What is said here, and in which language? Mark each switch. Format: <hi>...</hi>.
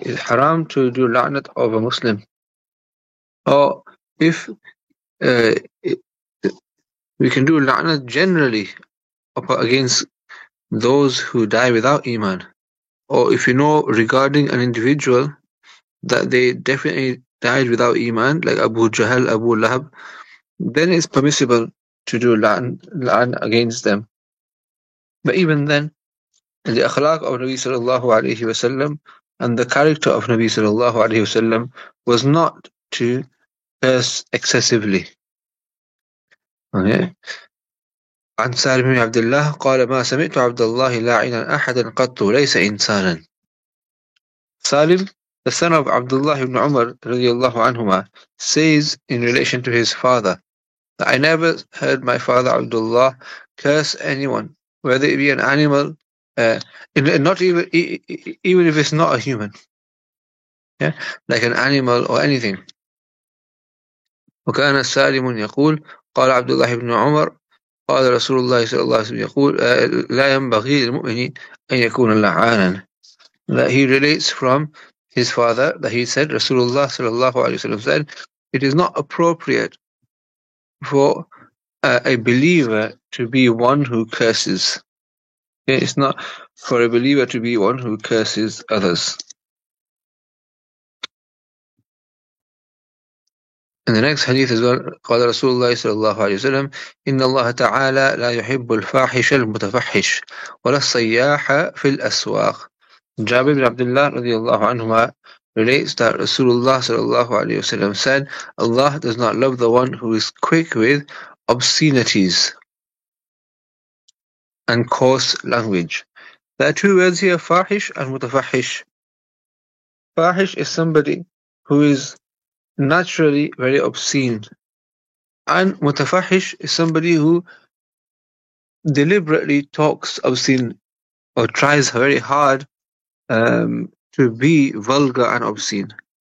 <en>It's haram to do la'nat of a Muslim. Or if we can do la'nat generally against those who die without iman, or if you know regarding an individual that they definitely died without iman, like Abu Jahl, Abu Lahab, then it's permissible to do la'an against them. But even then, the akhlaq of Nabi sallallahu alayhi wa sallam and the character of Nabi sallallahu alayhi wa sallam was not to curse excessively. Okay.</en> <ar>عن سالم بن عبد الله قال ما سمعت عبد الله لاعنا أحدا قط ليس إنسانا.</ar> <en>سالم, the son of Abdullah ibn Umar رضي الله عنهما, says in relation to his father that I never heard my father Abdullah curse anyone, whether it be an animal, not even if it's not a human, yeah, like an animal or anything.</en> <ar>وكان سالم يقول قال عبد الله بن عمر قال رسول الله صلى الله عليه وسلم يقول لا ينبغي للمؤمن أن يكون لعانا.</ar> <en>That he relates from his father that he said, Rasulullah صلى الله عليه وسلم said, it is not appropriate for a believer to be one who curses. It's not for a believer to be one who curses others. In the next hadith as well,</en> <ar>قال رسول الله صلى الله عليه وسلم إن الله تعالى لا يحب الفاحش المتفحش ولا الصياح في الأسواق.</ar> <en>Jabir bin Abdullah رضي الله عنهما relates that Rasulullah صلى الله عليه وسلم said, Allah does not love the one who is quick with obscenities and coarse language. There are two words here, فاحش and متفحش. فاحش is somebody who is naturally very obscene, and mutafahish is somebody who deliberately talks obscene or tries very hard to be vulgar and obscene.</en>